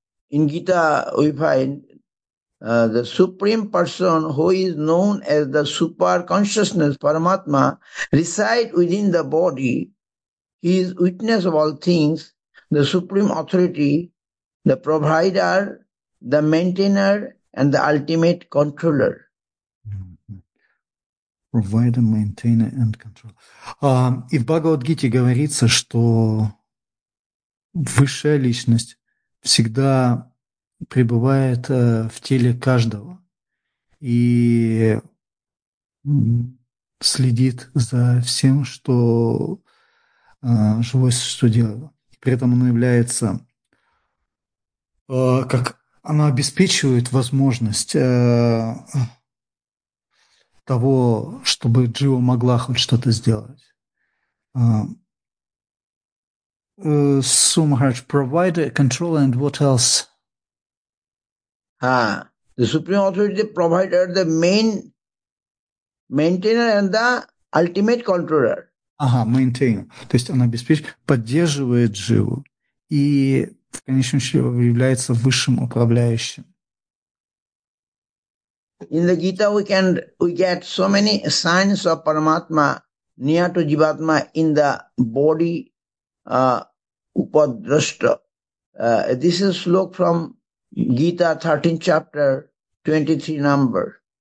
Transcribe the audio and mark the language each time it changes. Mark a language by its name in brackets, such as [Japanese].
[English] In Gita we find the supreme person who is known as the super consciousness Paramatma reside within the body. He is witness of all things, the supreme authority, the provider, the maintainer and the ultimate controller. Provider, maintainer and control. [Russian] И в Бхагавадгите говорится, что высшая личность всегда пребывает в теле каждого и следит за всем, что живое существо делало. При этом оно является, как оно обеспечивает возможность того, чтобы Джива могла хоть что-то сделать. [English] So Maharaj, provide control and what else? The Supreme Authority provider, the main maintainer and the ultimate controller. Maintainer. [Russian] То есть она обеспечивает, поддерживает Дживу и в конечном счете является высшим управляющим. [English] In the Gita, we get so many signs of Paramatma near to Jivatma in the body Upadrashta. This is a slok from Gita, 13th chapter, 23 number.